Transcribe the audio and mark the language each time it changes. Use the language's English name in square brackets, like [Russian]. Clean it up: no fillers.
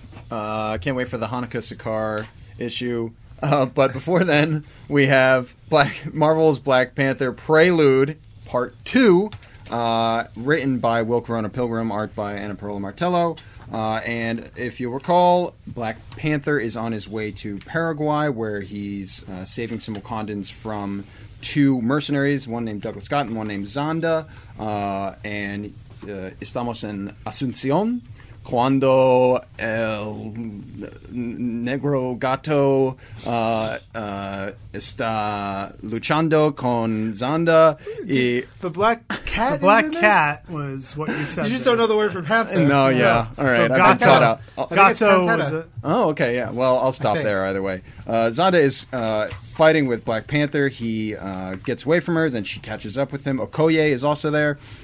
[English] I can't wait for the Hanukkah Sakaar issue. But before then, we have Marvel's Black Panther Prelude, Part 2, written by Will Corona Pilgrim, art by Anna Perla Martello. And if you'll recall, Black Panther is on his way to Paraguay, where he's saving some Wakandans from two mercenaries, one named Douglas Scott and one named Zonda, and [Spanish] Estamos en Asunción, Cuando el negro gato está luchando con Zanda. [English] The black cat was what you said. You just don't know the word from half. No, yeah. All right. So Gato. I've been caught up. Gato was a... Oh, okay. Yeah. Well, I'll stop there either way. Zanda is fighting with Black Panther. He gets away from her. Then she catches up with him. Okoye is also there.